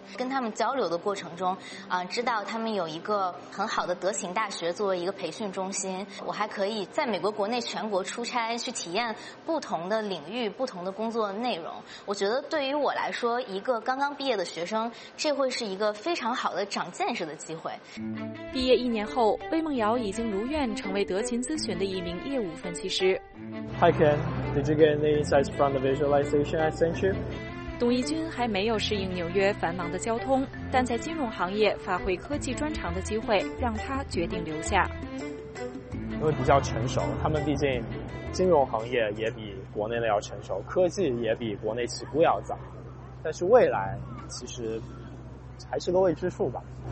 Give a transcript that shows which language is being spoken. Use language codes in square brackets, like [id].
[zh] 跟他们交流的过程中知道他们有一个很好的德勤大学作为一个培训中心，我还可以在美国国内全国出差去体验不同的领域，不同的工作的内容。我觉得对于我来说，一个刚刚毕业的学生，这会是一个非常好的长见识的机会。毕业一年后，魏梦瑶已经如愿成为德勤咨询的一名业务分析师。 [en] Hi Ken, did you get any insights from the visualization I sent you? [zh] 董一军还没有适应纽约繁忙的交通，但在金融行业发挥科技专长的机会让他决定留下。因为比较成熟，他们毕竟金融行业也比国内的要成熟，科技也比国内起步要早，但是未来其实还是个未知数吧。